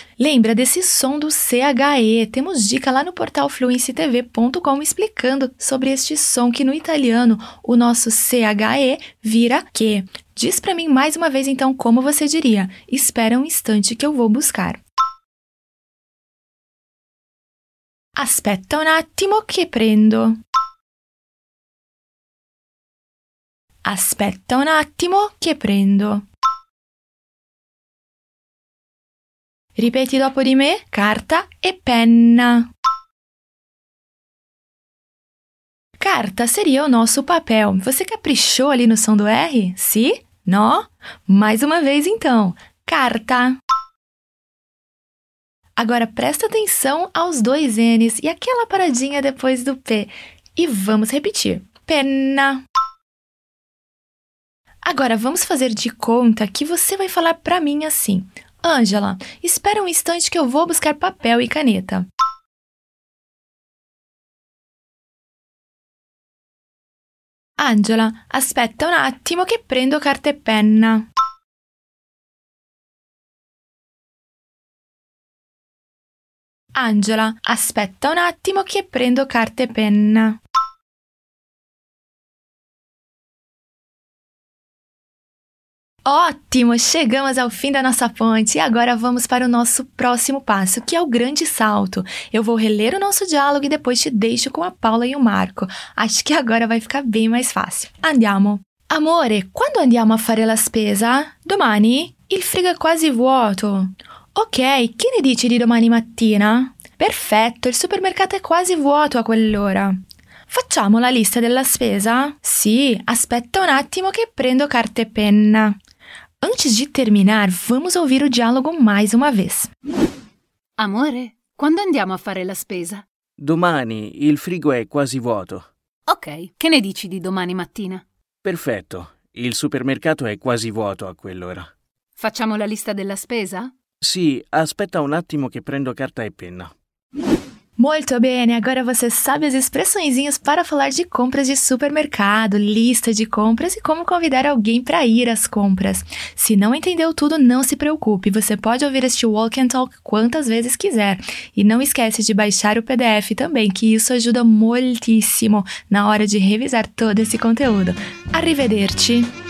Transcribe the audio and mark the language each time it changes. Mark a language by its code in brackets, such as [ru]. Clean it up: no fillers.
[pt] Lembra desse som do CHE. Temos dica lá no portal fluencytv.com explicando sobre este som que no italiano o nosso CHE vira que. Diz para mim mais uma vez, então, como você diria. Espera um instante que eu vou buscar. [it] Aspetta un attimo che prendo. Aspetta un attimo che prendo. Ripeti dopo di me. Carta e penna. [pt] carta seria o nosso papel. Você caprichou ali no som do R? Sim? Sí? Não? Mais uma vez, então. Carta. Agora, presta atenção aos dois N's e aquela paradinha depois do P. E vamos repetir. Pena. Agora, vamos fazer de conta que você vai falar para mim assim. Ângela, espera um instante que eu vou buscar papel e caneta. [it] Angela, aspetta un attimo che prendo carta e penna. Angela, aspetta un attimo che prendo carta e penna. [pt] Ótimo! Chegamos ao fim da nossa ponte e agora vamos para o nosso próximo passo, que é o grande salto. Eu vou reler o nosso diálogo e depois te deixo com a Paula e o Marco. Acho que agora vai ficar bem mais fácil. [it] Andiamo! Amore, quando andiamo a fare la spesa? Domani? Il frigo è quasi vuoto. Ok, che ne dici di domani mattina? Perfetto, il supermercato è quasi vuoto a quell'ora. Facciamo la lista della spesa? Sì, aspetta un attimo che prendo carta e penna. [pt] Antes de terminar, vamos ouvir o diálogo mais uma vez. [it] Amore, quando andiamo a fare la spesa? Domani, il frigo è quasi vuoto. Ok, che ne dici di domani mattina? Perfetto, il supermercato è quasi vuoto a quell'ora. Facciamo la lista della spesa? Sì, aspetta un attimo che prendo carta e penna. [pt] Muito bem, agora você sabe as expressõezinhas para falar de compras de supermercado, lista de compras e como convidar alguém para ir às compras. Se não entendeu tudo, não se preocupe, você pode ouvir este Walk and Talk quantas vezes quiser. E não esquece de baixar o PDF também, que isso ajuda muitíssimo na hora de revisar todo esse conteúdo. Arrivederci!